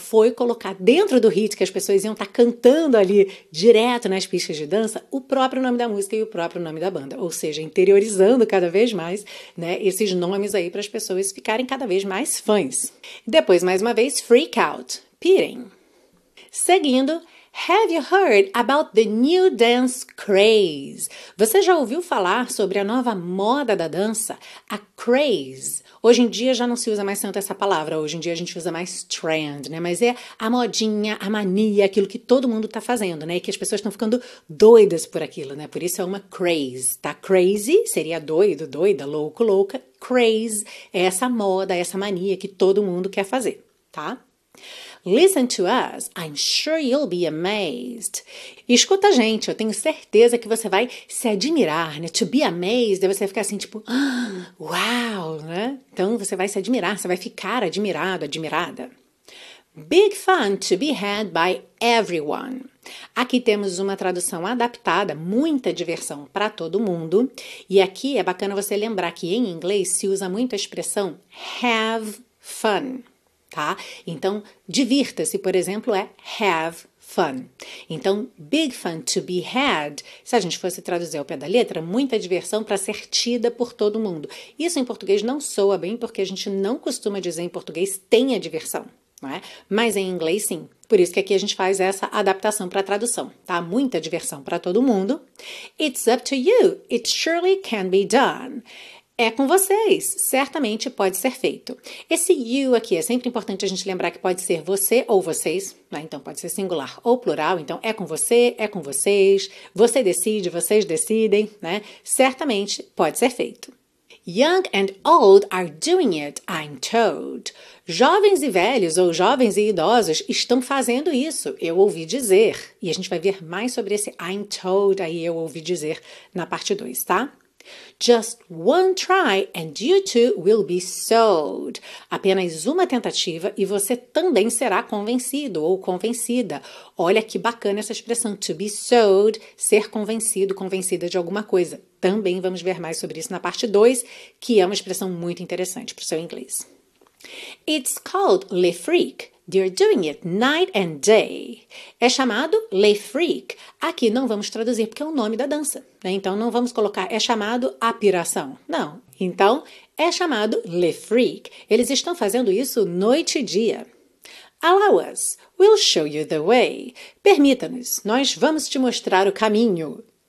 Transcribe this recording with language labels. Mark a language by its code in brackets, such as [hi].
[pt] Foi colocar dentro do hit que as pessoas iam estar cantando ali, direto nas pistas de dança, o próprio nome da música e o próprio nome da banda. Ou seja, interiorizando cada vez mais, né, esses nomes aí para as pessoas ficarem cada vez mais fãs. Depois, mais uma vez, [en] freak out, [pt] pirem. Seguindo, [en] have you heard about the new dance craze? [pt] Você já ouviu falar sobre a nova moda da dança? A craze. Hoje em dia já não se usa mais tanto essa palavra. Hoje em dia a gente usa mais trend, né? Mas é a modinha, a mania, aquilo que todo mundo tá fazendo, né? E que as pessoas estão ficando doidas por aquilo, né? Por isso é uma craze, tá? Crazy seria doido, doida, louco, louca. Craze é essa moda, essa mania que todo mundo quer fazer, tá? [en] Listen to us, I'm sure you'll be amazed. [pt] Escuta a gente, eu tenho certeza que você vai se admirar, né? To be amazed, é você ficar assim, tipo, ah, uau, né? Então, você vai se admirar, você vai ficar admirado, admirada. [en] Big fun to be had by everyone. [pt] Aqui temos uma tradução adaptada, muita diversão para todo mundo. E aqui é bacana você lembrar que em inglês se usa muito a expressão [en] have fun. [pt] Tá? Então, divirta-se, por exemplo, é [en] have fun. [pt] Então, [en] big fun to be had, [pt] se a gente fosse traduzir ao pé da letra, muita diversão para ser tida por todo mundo. Isso em português não soa bem, porque a gente não costuma dizer em português tenha diversão, não é? Mas em inglês, sim. Por isso que aqui a gente faz essa adaptação para a tradução, tá? Muita diversão para todo mundo. [en] It's up to you. It surely can be done. [pt] É com vocês, certamente pode ser feito. Esse you aqui é sempre importante a gente lembrar que pode ser você ou vocês, né? Então pode ser singular ou plural, então é com você, é com vocês, você decide, vocês decidem, né? Certamente pode ser feito. [en] Young and old are doing it, I'm told. [pt] Jovens e velhos, ou jovens e idosos, estão fazendo isso, eu ouvi dizer. E a gente vai ver mais sobre esse [en] I'm told [pt] aí, eu ouvi dizer, na parte 2, tá? Just one try and you too will be sold. Apenas uma tentativa e você também será convencido ou convencida. Olha que bacana essa expressão, [en] to be sold, [pt] ser convencido, convencida de alguma coisa. Também vamos ver mais sobre isso na parte 2, que é uma expressão muito interessante para o seu inglês. [en] It's called Le Freak. They're doing it night and day. [pt] É chamado Le Freak. Aqui não vamos traduzir porque é o nome da dança, né? Então não vamos colocar é chamado a piração. Não. Então é chamado Le Freak. Eles estão fazendo isso noite e dia. [en] Allow us. We'll show you the way. [pt] Permita-nos. Nós vamos te mostrar o caminho.